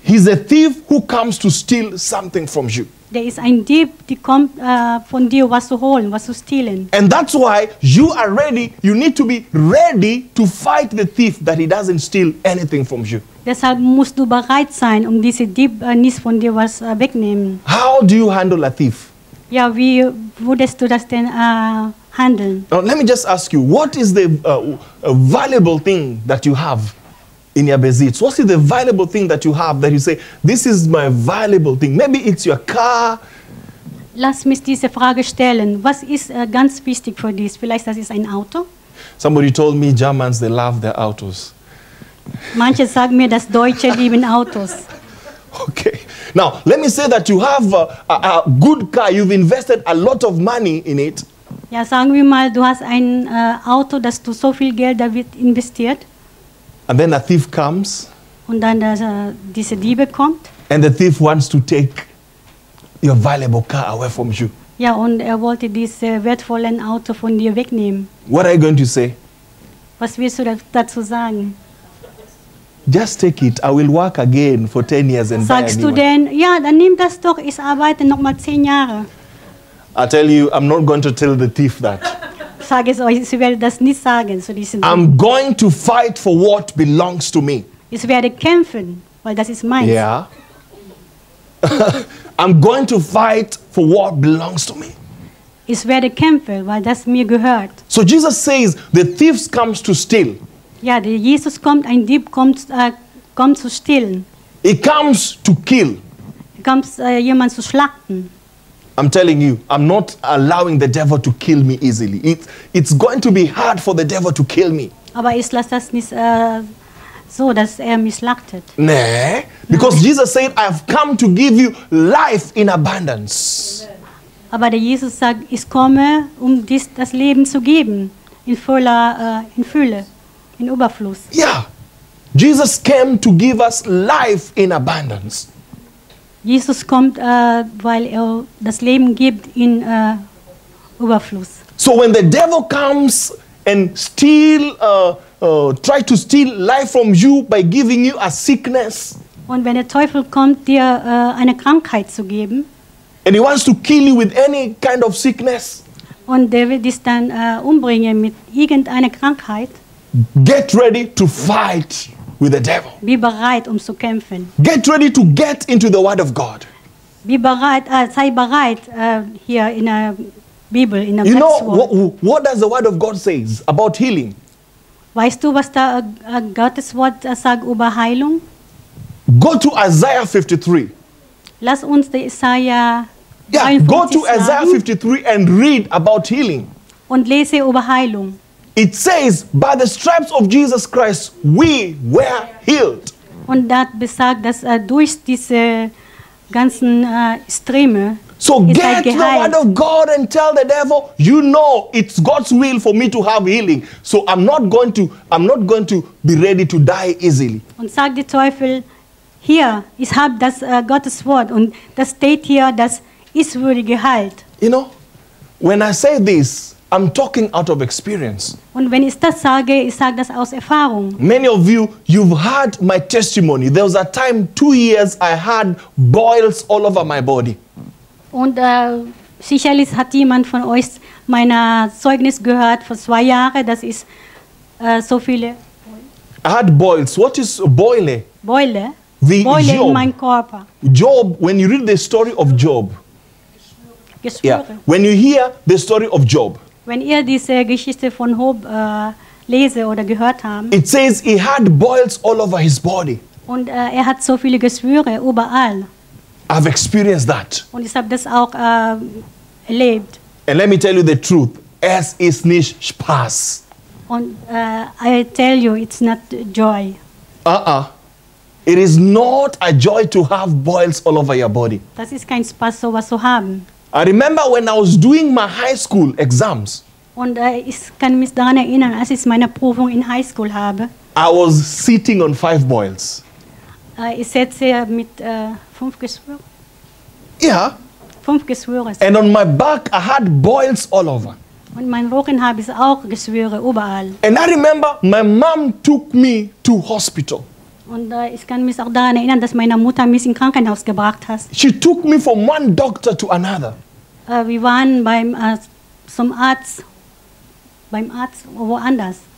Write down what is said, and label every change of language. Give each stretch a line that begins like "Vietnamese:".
English: He's a thief who comes to steal something from you.
German: Der ist ein Dieb, die kommt von dir was zu holen, was zu stehlen.
English: And that's why you are ready, you need to be ready to fight the thief that he doesn't steal anything from you.
German: Deshalb musst du bereit sein, um diese Dieb nicht von dir was wegnehmen.
English: How do you handle a thief?
German: Ja, wie würdest du das denn handeln?
English: Now, let me just ask you, what is the valuable thing that you have in your Besitz? What is the valuable thing that you have that you say, this is my valuable thing? Maybe it's your car.
German: Lass mich diese Frage stellen. Was ist ganz wichtig für dich? Vielleicht das ist ein Auto?
English: Somebody told me Germans, they love their autos.
German: Manche sagen mir, dass Deutsche lieben Autos.
English: Okay. Now, let me say that you have a good car. You've invested a lot of money in it.
German: Ja, sagen wir mal, du hast ein Auto, dass du so viel Geld damit investiert.
English: And then a thief comes.
German: Und dann diese Diebe kommt.
English: And the thief wants to take your valuable car away from you.
German: Ja, und wollte dieses wertvollen Auto von dir wegnehmen.
English: What are you going to say?
German: Was willst du dazu sagen?
English: Just take it. I will work again for 10 years and
German: sagst
English: buy
German: du denn, ja, dann nimm das doch. Ich arbeite noch mal 10 Jahre.
English: I tell you, I'm not going to tell the thief that.
German: Sag es euch, ich werde das nicht sagen. So diesen
English: I'm going to fight for what belongs to me.
German: Ich werde kämpfen, weil das ist meins.
English: Yeah. I'm going to fight for what belongs to me.
German: Ich werde kämpfen, weil das mir gehört.
English: So Jesus says, the thief comes to steal.
German: Ja, der Jesus kommt, ein Dieb kommt zu stehlen.
English: He comes to kill.
German: Er kommt, jemanden zu schlachten.
English: I'm telling you, I'm not allowing the devil to kill me easily. It's going to be hard for the devil to kill me.
German: Aber ich lasse das nicht so, dass mich schlachtet.
English: Nee, because no. Jesus said, I've come to give you life in abundance.
German: Aber der Jesus sagt, ich komme, um dir das Leben zu geben, in Fülle. In Überfluss.
English: Yeah. Jesus came to give us life in abundance.
German: Jesus kommt, weil das Leben gibt in Überfluss.
English: So when the devil comes and try to steal life from you by giving you a sickness.
German: Und wenn der Teufel kommt, dir eine Krankheit zu geben.
English: And he wants to kill you with any kind of sickness.
German: Und der will dich dann umbringen mit irgendeiner Krankheit.
English: Get ready to fight with the devil.
German: Be bereit, um zu kämpfen.
English: Get ready to get into the Word of God.
German: Be bereit, sei bereit hier in der Bibel, in der
English: You know, what does the Word of God says about healing?
German: Weißt du, was da Gottes Wort sagt über Heilung?
English: Go to Isaiah 53.
German: Lass uns die Isaiah.
English: Yeah, go to Isaiah 53 and read about healing.
German: Und lese über Heilung.
English: It says, by the stripes of Jesus Christ, we were healed.
German: Und das besagt, dass durch diese ganzen Streme.
English: So get the word of God and tell the devil, you know, it's God's will for me to have healing. So I'm not going to be ready to die easily.
German: Und sag dem Teufel, hier, ich habe das Gottes Wort und das steht hier, das ist würdig geheilt.
English: You know, when I say this, I'm talking out of experience.
German: Und wenn ich das sage, ich sage das aus Erfahrung.
English: Many of you, you've heard my testimony. There was a time, 2 years, I had boils all over my body.
German: Und sicherlich hat jemand von euch mein Zeugnis gehört vor 2 Jahren, das ist so viele.
English: I had boils. What is boile? Boile. The boile Job.
German: In mein Körper.
English: Job, when you read the story of Job.
German: Geschwüre. Yeah.
English: When you hear the story of Job.
German: Wenn ihr diese Geschichte von Job lese oder gehört habt.
English: It says he had boils all over his body.
German: Und er hat so viele Geschwüre überall.
English: I've experienced that.
German: Und ich habe das auch erlebt.
English: And let me tell you the truth.
German: Es ist nicht Spaß.
English: Und I tell you, it's not joy. It is not a joy to have boils all over your body.
German: Das ist kein Spaß, sowas zu haben.
English: I remember when I was doing my high school exams.
German: Und ich kann mich daran erinnern, als ich meine Prüfung in high school habe.
English: I was sitting on 5 boils.
German: Ich setze mit 5 Geschwüre.
English: Yeah.
German: 5 Geschwüre.
English: And on my back, I had boils all over.
German: Und mein Rücken habe ich auch Geschwüre überall.
English: And I remember my mom took me to hospital.
German: Und ich kann mich auch daran erinnern, dass meine Mutter mich ins Krankenhaus gebracht hat.
English: She took me from one doctor to another.
German: Wir waren beim zum Arzt, beim Arzt woanders.